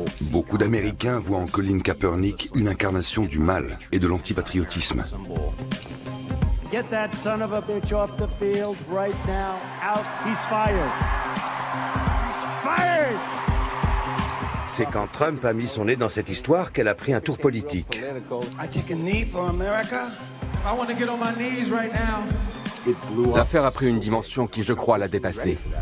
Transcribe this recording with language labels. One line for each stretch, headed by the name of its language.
French: Beaucoup d'Américains voient en Colin Kaepernick une incarnation du mal et de l'antipatriotisme.
English: Get that son of a bitch off the field right now. Out, he's fired. He's fired.
French: C'est quand Trump a mis son nez dans cette histoire qu'elle a pris un tour politique.
English: I take a knee for America. I want to get on my knees right now.
French: L'affaire a pris une dimension qui, je crois, l'a dépassée.